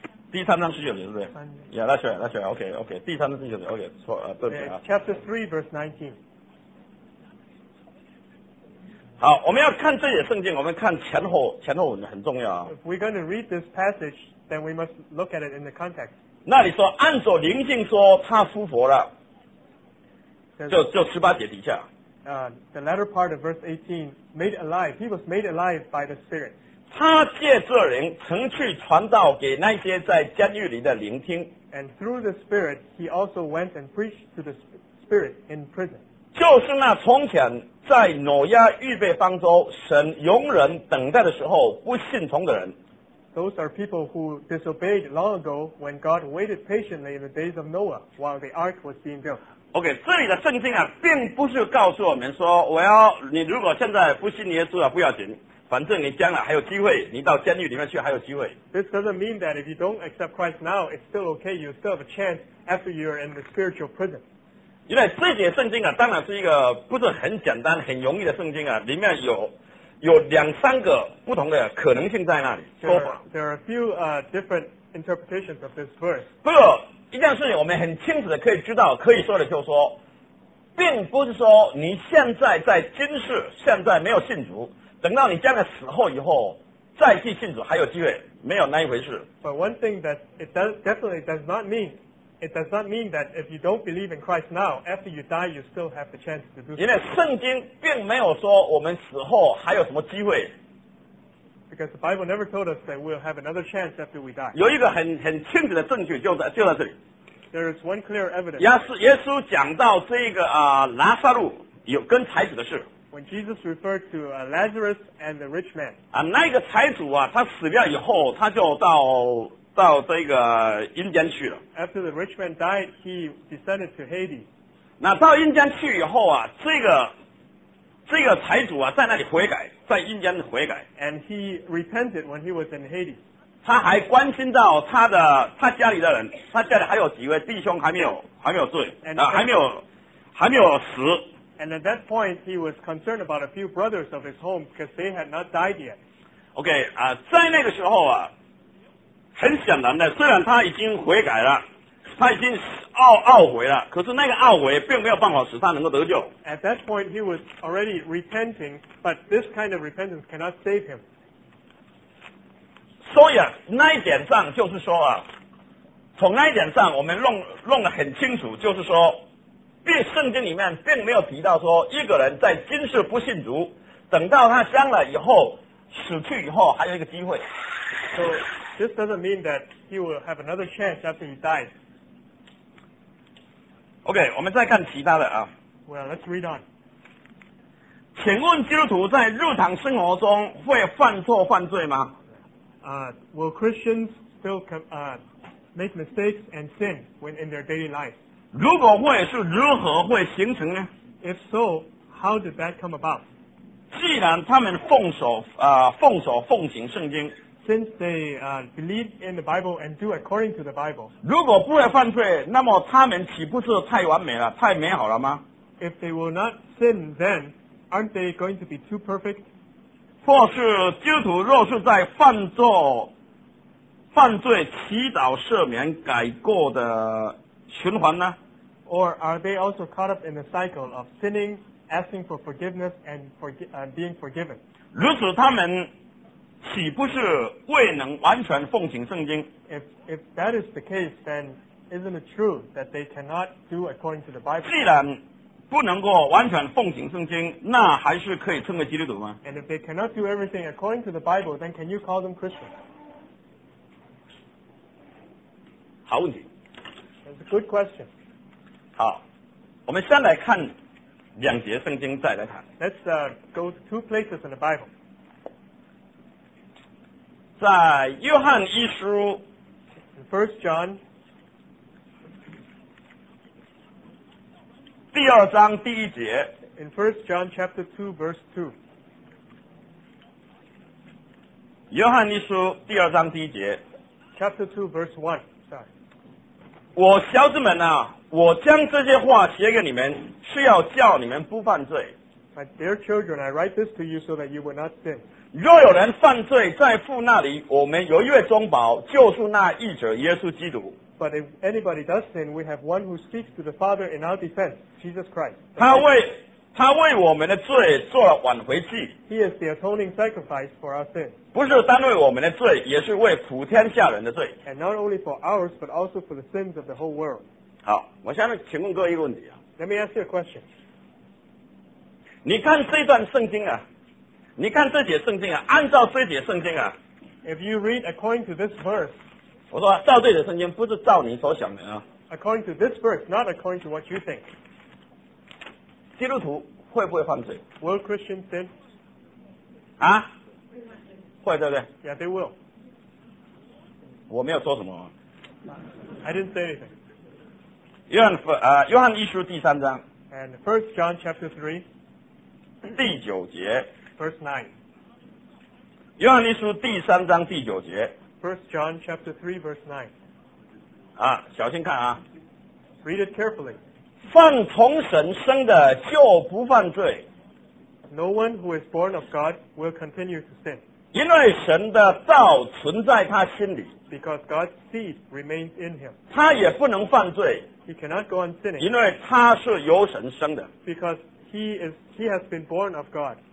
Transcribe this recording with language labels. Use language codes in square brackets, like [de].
[zh] 第三章十九节对不对？也那选那选 ，OK OK。第三章十九节 ，OK， 错啊，对不起啊。 [en] Chapter three, verse 19。 [zh] 好，我们要看这节圣经，我们看前后文很重要啊。 [en] If we're going to read this passage, then we must look at it in the context. [zh] 那里说，按着灵性说，他复活了。就十八节底下。 [en] The latter part of verse 18, made alive. He was made alive by the Spirit. [zh] 他借这灵曾去传道给那些在监狱里的灵听。 [en] And through the Spirit, he also went and preached to the Spirit in prison. [zh] 就是那从前在挪亚预备方舟，神容忍等待的时候不信从的人。 [en] Those are people who disobeyed long ago when God waited patiently in the days of Noah while the ark was being built. [zh] OK， 这里的圣经啊，并不是告诉我们说，我要你如果现在不信耶稣啊，不要紧，反正你将来还有机会，你到监狱里面去还有机会。 [en] This doesn't mean that if you don't accept Christ now, it's still okay. You still have a chance after you are in the spiritual prison. [zh] 因为这节圣经啊，当然是一个不是很简单、很容易的圣经啊，里面有两三个不同的可能性在那里说法。 [en] There are a few different interpretations of this verse. [zh] 不过。一件事情我们很清楚的可以知道，可以说的就是说，并不是说你现在在今世现在没有信主，等到你将来死后以后再去信主还有机会，没有那一回事。 [en] But one thing that it does, definitely does not mean, it does not mean that if you don't believe in Christ now, after you die, you still have the chance to do so. [zh] 因为圣经并没有说我们死后还有什么机会。 [en] Because the Bible never told us that we'll have another chance after we die. [zh] 有一个很清楚的证据就在这里。 [en] There is one clear evidence. [zh] 耶稣讲到这个拉撒路有跟财主的事。 [en] When Jesus referred to Lazarus and the rich man. [zh] 那个财主啊，他死掉以后，他就到这个阴间去了。 [en] After the rich man died, he descended to Hades. [zh] 那到阴间去以后啊，这个财主啊，在那里悔改。在阴间悔改 [en] ，and he repented when he was in Hades. [zh] 他还关心到他家里的人，他家里还有几位弟兄还没有罪啊，还没有死。 [en] And at that point, he was concerned about a few brothers of his home because they had not died yet. [zh] OK 啊，在那个时候啊，很显然的，虽然他已经悔改了，他已经懊悔了，可是那个懊悔并没有办法使他能够得救。 [en] At that point, he was already repenting, but this kind of repentance cannot save him. [zh] 所以啊，那一点上就是说啊，从那一点上，我们弄得很清楚，就是说，圣经里面并没有提到说一个人在今世不信主，等到他将来以后死去以后还有一个机会。 [en] So this doesn't mean that he will have another chance after he dies. [zh] OK, 我们再看其他的啊。 [en] Well, let's read on. [zh] 请问基督徒在日常生活中会犯错犯罪吗？ [en] Will Christians still make mistakes and sin when in their daily life? [zh] 如果会是如何会形成呢？ [en] If so, how did that come about? [zh] 既然他们奉守奉行圣经。 [en] Since they believe in the Bible and do according to the Bible. [zh] 如果不会犯罪，那么他们岂不是太完美了，太美好了吗？ [en] If they will not sin, then aren't they going to be too perfect? [zh] 或是基督徒若是在犯罪、祈祷、赦免、改过的循环呢？ [en] Or are they also caught up in the cycle of sinning, asking for forgiveness, and being forgiven? [zh] 如此他们岂不是未能完全奉行圣经？ [en] If that is the case, then isn't it true that they cannot do according to the Bible? [zh] 既然不能够完全奉行圣经，那还是可以称为基督徒吗？ [en] And if they cannot do everything according to the Bible, then can you call them Christian? [zh] 好问题。 [en] That's a good question. [zh] 好，我们先来看两节圣经，再来谈。 [en] Let's go to two places in the Bible. [zh] 在约翰一书 [en] First John [zh] 第二章第一节 [en] In First John chapter 2 verse 2 [zh] 约翰一书第二章第一节 [en] Chapter 2 verse 1 Sorry. [zh] 我小子们啊，我将这些话写给你们，是要叫你们不犯罪。 [en] My dear children, I write this to you so that you will not sin. [zh] 若有人犯罪，在父那里我们有一位中保，就是那义者耶稣基督。 [en] But if anybody does sin, we have one who speaks to the Father in our defense, Jesus Christ. [zh] 他为我们的罪做了挽回祭。 [en] He is the atoning sacrifice for our sin. [zh] 不是单为我们的罪，也是为普天下人的罪。 [en] And not only for ours, but also for the sins of the whole world. [zh] 好，我下面请问各位一个问题啊。 [en] Let me ask you a question. [zh] 你看这段圣经啊，你看这节圣经啊，按照这节圣经啊。 [en] If you read according to this verse. [zh] 我说、啊、照对的圣经不是照你所想的啊。 [en] According to this verse, not according to what you think. [zh] 基督徒会不会犯罪 [en] ？Will Christians sin? [zh] 啊？会对不对 [en] ？Yeah, they will. [zh] 我没有说什么、 [en] 啊。I didn't say anything. [zh] 约翰一书第三章。 [en] And First John chapter 3. [zh] 第九节。 [en] Verse 9. [zh] 约翰一书第三章第九节。 [en] First John chapter 3 verse 9. [zh] 啊，小心看啊。 [en] Read it carefully. [zh] 凡从神生的就不犯罪。 [en] No one who is born of God will continue to sin. [zh] 因为神的道存在他心里。 [en] Because God's seed remains in him. [zh] 他也不能犯罪。 [en] He cannot go on sinning. [zh] 因为他是由神生的。 [en] Because he has been born of God.